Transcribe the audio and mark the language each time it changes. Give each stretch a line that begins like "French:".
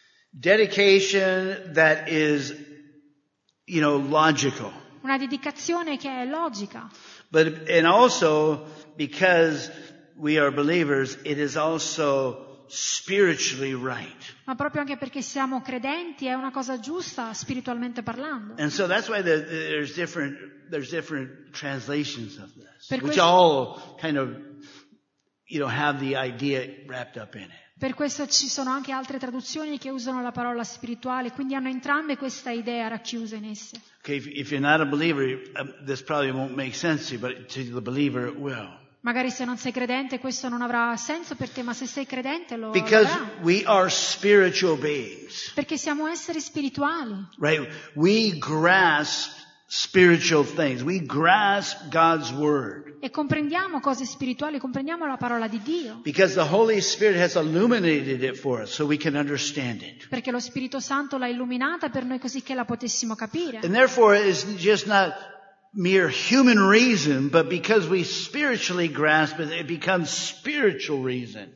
English: Dedication that is, you know, logical.
Italian: Una dedicazione che è logica.
English: But and also because we are believers, it is also spiritually right.
Italian: Ma proprio anche perché siamo credenti è una cosa giusta spiritualmente parlando.
English: And so that's why there's different translations of this, which all kind of, you know, have the idea wrapped up in it.
Italian: Per questo ci sono anche altre traduzioni che usano la parola spirituale, quindi hanno entrambe questa idea racchiusa in esse.
English: Okay, if you're not a believer, this probably won't make sense to you, but to the believer it will.
Italian: Magari se non sei credente questo non avrà senso per te, ma se sei credente lo avrà.
English: Because we are spiritual beings.
Italian: Perché siamo esseri spirituali.
English: Right, we grasp spiritual things. We grasp God's word.
Italian: E comprendiamo cose spirituali, comprendiamo la parola di Dio.
English: Because the Holy Spirit has illuminated it for us so we can understand it.
Italian: Perché lo Spirito Santo l'ha illuminata per noi così che la potessimo capire.
English: And therefore it's just not mere human reason, but because we spiritually grasp it, it becomes spiritual reason.